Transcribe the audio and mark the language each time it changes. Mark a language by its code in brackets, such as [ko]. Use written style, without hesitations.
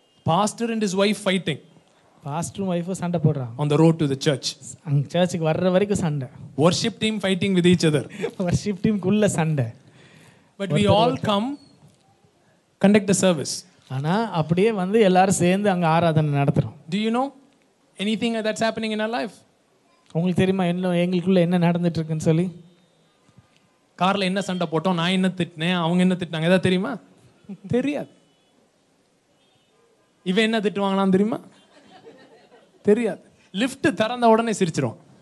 [en] Pastor and his wife fighting. [ta] Pastor wife சண்டை போடுறாங்க. [en] On the road to the church. [ta] அங்க சர்ச்சுக்கு வர்ற வரைக்கும் சண்டை. [en] Worship team fighting with each other. [ta] Worship team குள்ள சண்டை. [en] But we all come conduct the service. [ta] انا அப்படியே வந்து எல்லாரும் சேர்ந்து அங்க ஆராதனை நடத்துறோம். [en] Do you know anything that's happening in our life? [ta] உங்களுக்கு தெரியுமா என்ன எங்களுக்குள்ள என்ன நடந்துட்டு இருக்குன்னு சொல்லி? கார்ல என்ன சண்டை போட்டோம், நான் என்ன திட்டினேன், அவங்க என்ன திட்டாங்க, ஏதா தெரியுமா? தெரியாது. இவன் என்ன திட்டுவாங்களாம் தெரியுமா? தெரியாது. லிஃப்ட் திறந்த உடனே சிரிச்சிரும்.